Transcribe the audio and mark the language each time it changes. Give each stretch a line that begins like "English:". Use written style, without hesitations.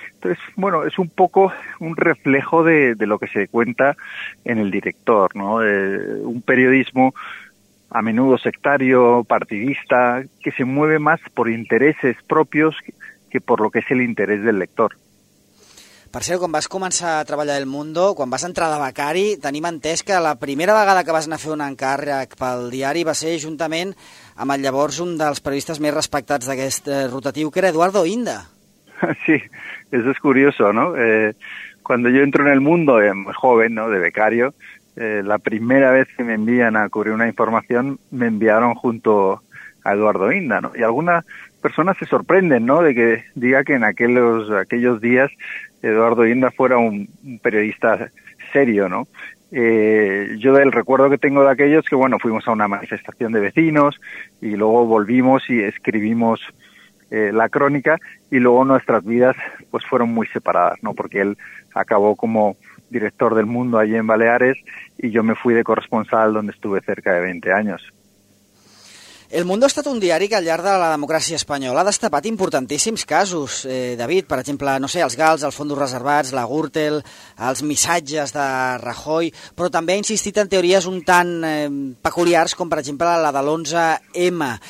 Spanish: Entonces, bueno, es un poco un reflejo de lo que se cuenta en El Director, ¿no? Un periodismo a menudo sectario, partidista, que se mueve más por intereses propios que por lo que es el interés del lector.
Catalan: Per cert, quan vas començar a treballar El Mundo, quan vas entrar de becari, tenim entès que la primera vegada que vas anar a fer un encàrrec pel diari va ser juntament amb el llavors un dels periodistes més respectats d'aquest rotatiu, que era Eduardo Inda.
Spanish: Sí, eso es curioso, ¿no? Cuando yo entro en El Mundo, joven, ¿no?, de becario, la primera vez que me envían a cubrir una información, me enviaron junto a Eduardo Inda, ¿no? Y alguna personas se sorprenden, ¿no?, de que diga que en aquellos días Eduardo Inda fuera un periodista serio, ¿no? Yo del recuerdo que tengo de aquellos que, bueno, fuimos a una manifestación de vecinos y luego volvimos y escribimos la crónica y luego nuestras vidas pues fueron muy separadas, ¿no? Porque él acabó como director del Mundo allí en Baleares y yo me fui de corresponsal donde estuve cerca de 20 años.
Catalan: El Mundo ha estat un diari que al llarg de la democràcia espanyola ha destapat importantíssims casos, David, per exemple, no sé, els Gals, els fondos reservats, la Gürtel, els missatges de Rajoy, però també ha insistit en teories un tant peculiars com, per exemple, la de l'11M.